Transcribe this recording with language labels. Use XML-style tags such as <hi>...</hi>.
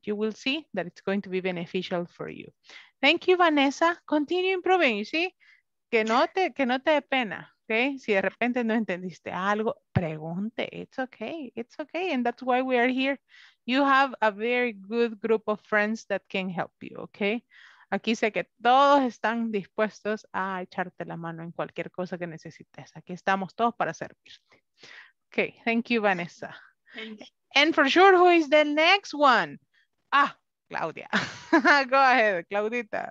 <en>You will see that it's going to be beneficial for you. Thank you, Vanessa. Continue improving. You see,</en> <es>que no te dé pena. Okay, si de repente no entendiste algo, pregunte.</es> <en>It's okay, and that's why we are here. You have a very good group of friends that can help you, okay?</en> <es>Aquí sé que todos están dispuestos a echarte la mano en cualquier cosa que necesites. Aquí estamos todos para servirte.</es> <en>Okay, thank you, Vanessa. Thank you. And for sure, who is the next one? Claudia. Go ahead, Claudita.</en>